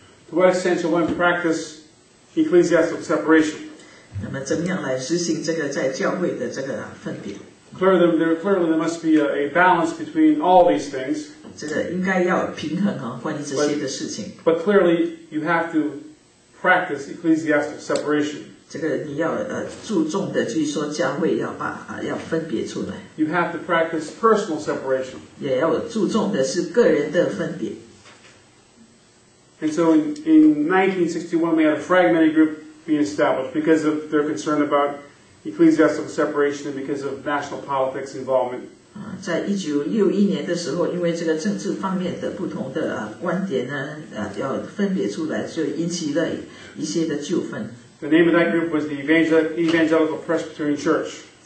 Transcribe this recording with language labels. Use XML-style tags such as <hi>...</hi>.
<en>To what extent should one practice ecclesiastical separation?</en> <zh>那么怎么样来实行这个在教会的这个分别？</zh> <en>Clearly, there must be a balance between all these things.</en> <zh>这个应该要平衡哦，关于这些的事情。</zh> <en>But clearly, you have to practice ecclesiastical separation.</en> <zh>这个你要注重的，就是说教会要分别出来。</zh> <en>You have to practice personal separation.</en> <zh>也要注重的是个人的分别。</zh> <en>And so in 1961, we had a fragmented group being established because of their concern about ecclesiastical separation and because of national politics involvement.</en> <zh>在1961年的时候，因为这个政治方面的不同的观点呢，要分别出来，就引起了一些的纠纷。</zh> <en>The name of that group was the Evangelical Presbyterian Church.</en>